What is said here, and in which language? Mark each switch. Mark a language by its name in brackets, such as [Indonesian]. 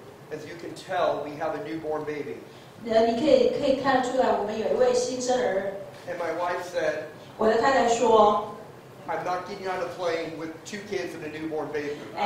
[English] as you can tell, we have a newborn baby. [Chinese] 你可以看出来我们有一位新生儿。 [English] And my wife said, [Chinese] 我的太太说, [English] I'm not getting on a plane with 2 kids and a newborn baby.